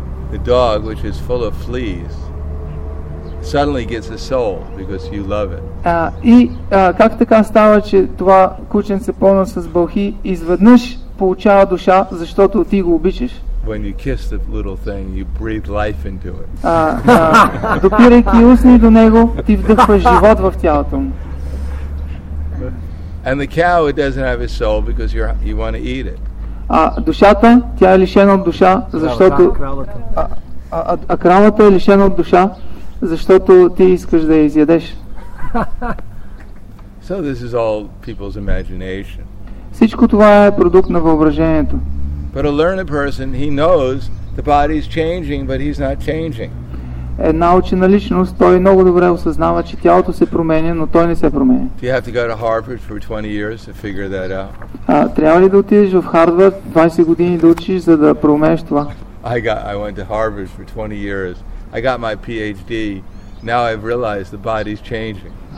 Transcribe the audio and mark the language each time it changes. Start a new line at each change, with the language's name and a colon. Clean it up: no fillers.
English: The dog, which is full of fleas, suddenly gets a soul because you love it.
Bulgarian: Как така става, че това кученце пълно с бълхи изведнъж получава душа, защото ти го обичаш?
English: When you kiss the little thing, you breathe life into it.
Bulgarian: Допирайки устни до него, ти вдъхваш живот в тялото му.
English: And the cow, it doesn't have a soul because you want to eat it.
Bulgarian: Душата, тя е лишена от душа, защото кравата е лишена от душа, защото ти искаш да я изядеш.
English: So this is all people's imagination.
Bulgarian: Всичко това е продукт на въображението.
English: But a learned person, he knows the body is changing, but he's not changing.
Bulgarian: Една учена личност, той много добре осъзнава, че тялото се променя, но той не се променя.
English: Do you have to go to Harvard for 20 years to figure that out?
Bulgarian: Трябва ли да отидеш в Харвард 20 години да учиш, за да промениш това?
English: I went to Harvard for 20 years. I got my PhD. Now I've realized the body's changing.